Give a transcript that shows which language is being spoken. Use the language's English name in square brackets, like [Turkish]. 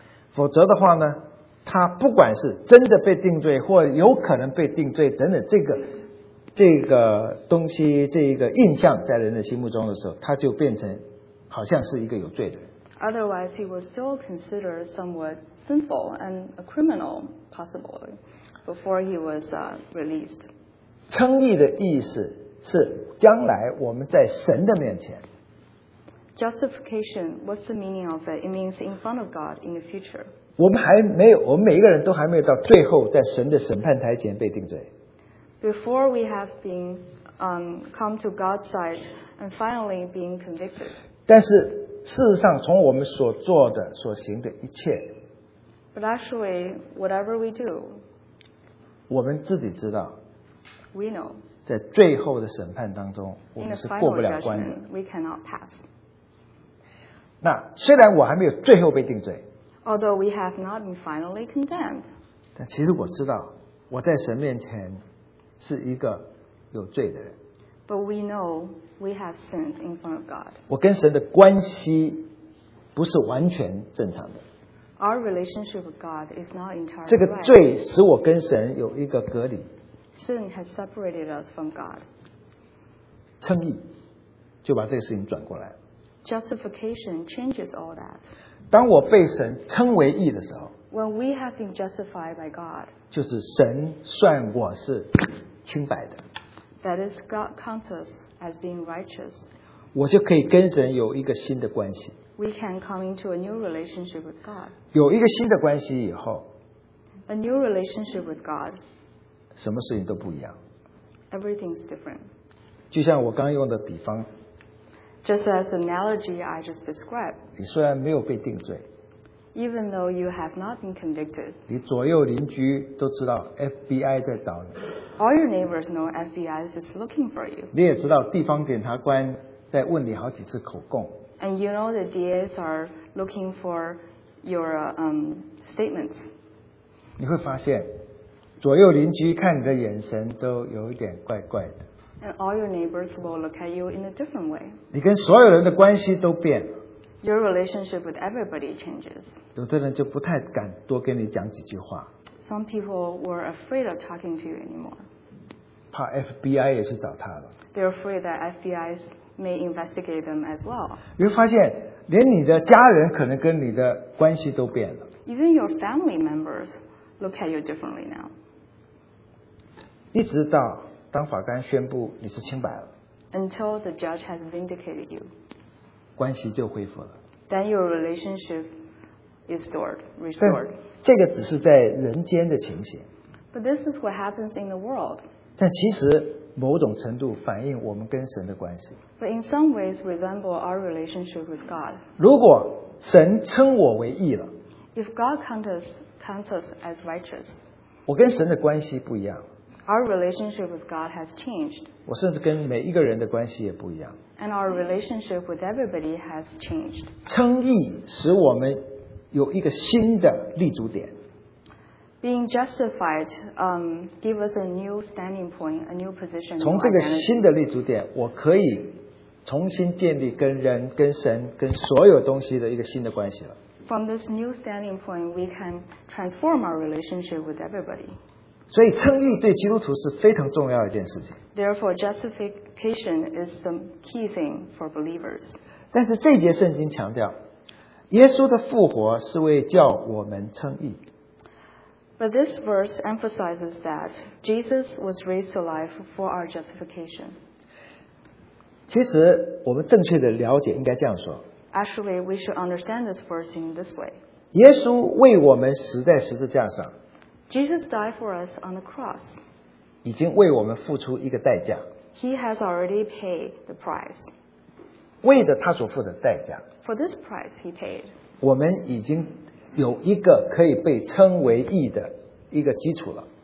[Chinese] 否则的话呢，他不管是真的被定罪或有可能被定罪等等，这个东西，这个印象在人的心目中的时候，他就变成好像是一个有罪的人。 [English] Otherwise, he was still considered somewhat sinful and a criminal, possibly, before he was released. [Chinese] 称义的意思是将来我们在神的面前。 [English] Justification, what's the meaning of it? It means in front of God in the future. [Chinese] 我们还没有，我们每一个人都还没有到最后，在神的审判台前被定罪。 [English] Before we have been come to God's side and finally being convicted. [Chinese] 但是事实上，从我们所做的、所行的一切 [English] ，But actually, whatever we do, [Chinese] 我们自己知道。 [English] We know. [Chinese] 在最后的审判当中，我们是过不了关的。 [English] We cannot pass. [Chinese] 那虽然我还没有最后被定罪。 [English] Although we have not been finally condemned, [Chinese] 但其实我知道，我在神面前是一个有罪的人。 [English] But we know we have sinned in front of God. [Chinese] 我跟神的关系不是完全正常的。 [English] Our relationship with God is not entirely right. [Chinese] 这个罪使我跟神有一个隔离。 [English] Sin has separated us from God. [Chinese] 称义就把这个事情转过来。 [English] Justification changes all that. [Chinese] 当我被神称为义的时候 [English] When we have been justified by God, [Chinese] 就是神算我是清白的 [English] That is God counts us as being righteous. [Chinese] 我就可以跟神有一个新的关系 [English] We can come into a new relationship with God. [Chinese] 有一个新的关系以后 [English] A new relationship with God. [Chinese] 什么事情都不一样 [English] Everything is different. [Chinese] 就像我刚用的比方 [English] Just as the analogy I just described, [Chinese] 你虽然没有被定罪 [English] even though you have not been convicted, [Chinese] 你左右邻居都知道 FBI 在找你 [English] all your neighbors know FBI is looking for you. [Chinese] 你也知道地方检察官在问你好几次口供 [English] and you know the DAs are looking for your statements. [Chinese] 你会发现左右邻居看你的眼神都有一点怪怪的。 [English] And all your neighbors will look at you in a different way. [Chinese] 你跟所有人的关系都变了。 [English] Your relationship with everybody changes. [Chinese] 有的人就不太敢多跟你讲几句话。 [English] Some people were afraid of talking to you anymore. [Chinese] 怕 FBI 也去找他了。 [English] They're afraid that FBI may investigate them as well. [Chinese] 你会发现，连你的家人可能跟你的关系都变了。 [English] Even your family members look at you differently now. [Chinese] 一直到当法官宣布你是清白了 [English] ，until the judge has vindicated you， [Chinese] 关系就恢复了。 [English] Then your relationship is restored. [Chinese] 这个只是在人间的情形。 [English] But this is what happens in the world. [Chinese] 但其实某种程度反映我们跟神的关系。 [English] But in some ways resemble our relationship with God. [Chinese] 如果神称我为义了 [English] ，if God counts us as righteous， [Chinese] 我跟神的关系不一样。 [English] Our relationship with God has changed. [Chinese] 我甚至跟每一个人的关系也不一样。 [English] And our relationship with everybody has changed. [Chinese] 称义使我们有一个新的立足点。 [English] Being justified, give us a new standing point, a new position. [Chinese] 从这个新的立足点，我可以重新建立跟人、跟神、跟所有东西的一个新的关系了。 [English] From this new standing point, we can transform our relationship with everybody. [Chinese] 所以称义对基督徒是非常重要的一件事情。 [English] Therefore, justification is the key thing for believers. [Chinese] 但是这节圣经强调，耶稣的复活是为叫我们称义。 [English] But this verse emphasizes that Jesus was raised to life for our justification. [Chinese] 其实我们正确的了解应该这样说。 [English] Actually, we should understand this verse in this way. [Chinese] 耶稣为我们死在十字架上。 [English] Jesus died for us on the cross. [Chinese] 已经为我们付出一个代价。 [English] He has already paid the price. [Chinese] 为的他所付的代价。 [English] For this price he paid. [Chinese] 我们已经有一个可以被称为义的一个基础了。